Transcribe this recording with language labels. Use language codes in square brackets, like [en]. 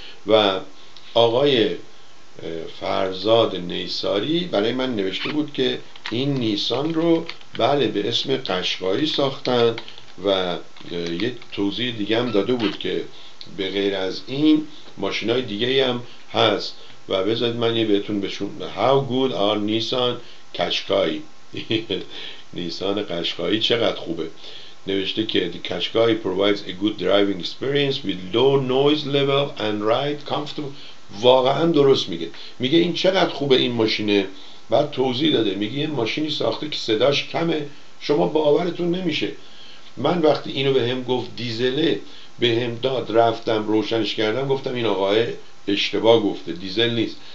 [fa] و آقای فرزاد نیساری برای من نوشته بود که این نیسان رو بله به اسم قشقایی ساختن و یه توضیح دیگه هم داده بود که به غیر از این ماشینای دیگه هم هست و بذارید من یه بهتون بشون [en] How good are Nissan Qashqai [fa] نیسان قشقایی چقدر خوبه. نوشته که [en] The Qashqai provides a good driving experience with low noise level and ride comfortable. [fa] واقعا درست میگه، میگه این چقدر خوبه این ماشینه. بعد توضیح داده میگه یه ماشینی ساخته که صداش کمه، شما باورتون نمیشه. من وقتی اینو به هم گفت دیزله به هم داد، رفتم روشنش کردم، گفتم این آقای اشتباه گفته، دیزل نیست.